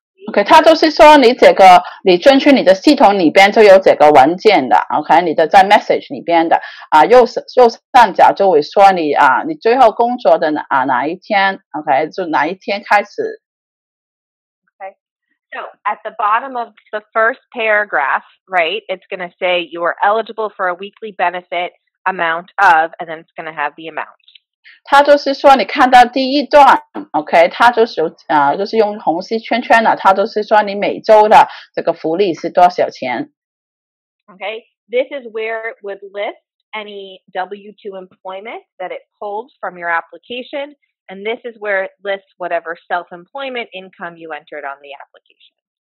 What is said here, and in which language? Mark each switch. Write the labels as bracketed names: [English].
[Chinese] Okay, 它就是说你这个你进去你的系统里边就有这个文件的 ，OK， 你的在 message 里边的啊，右上角就会说你啊，你最后工作的哪一天 ，OK， 就哪一天开始。 [English] So at the bottom of the first paragraph, right, it's going to say you are eligible for a weekly benefit amount of, and then it's going to have the amount. [Chinese] 它就是说你看到第一段 ,OK, 它就是就是用红色圈圈的，它就是说你每周的这个福利是多少钱。 [English] OK, this is where it would list any W-2 employment that it pulls from your application. And this is where it lists whatever self-employment income you entered on the application.